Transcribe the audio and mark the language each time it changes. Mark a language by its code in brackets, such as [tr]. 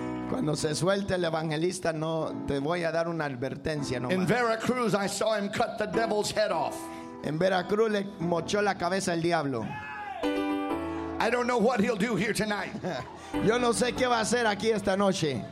[es] Cuando se suelte el evangelista, no te voy a dar una advertencia. [en] In Veracruz, I saw him cut the devil's head off. [es] En Veracruz le mochó la cabeza al diablo. [en] I don't know what he'll do here tonight. [es] Yo no sé qué va a hacer aquí esta noche.